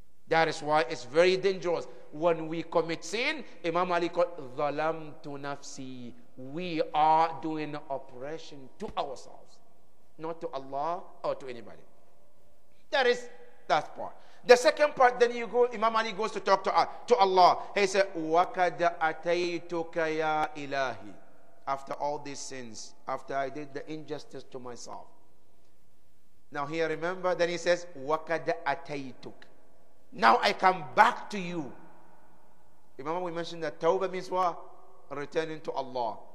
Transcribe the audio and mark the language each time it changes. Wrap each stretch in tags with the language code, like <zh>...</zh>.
<en>That is why it's very dangerous. When we commit sin, Imam Ali called,</en> <ar>ظَلَمْتُ nafsi.</ar> <en>We are doing oppression to ourselves, not to Allah or to anybody. That is that part. The second part, then you go, Imam Ali goes to talk to Allah. He said,</en> <ar>وَكَدَ أَتَيْتُكَ يَا إِلَهِ.</ar> <en>After all these sins, after I did the injustice to myself. Now here, remember, then he says,</en> <ar>وَكَدَ أَتَيْتُكَ.</ar> <en>Now I come back to you. Imam Ali, we mentioned that tawbah means what? Returning to Allah.</en>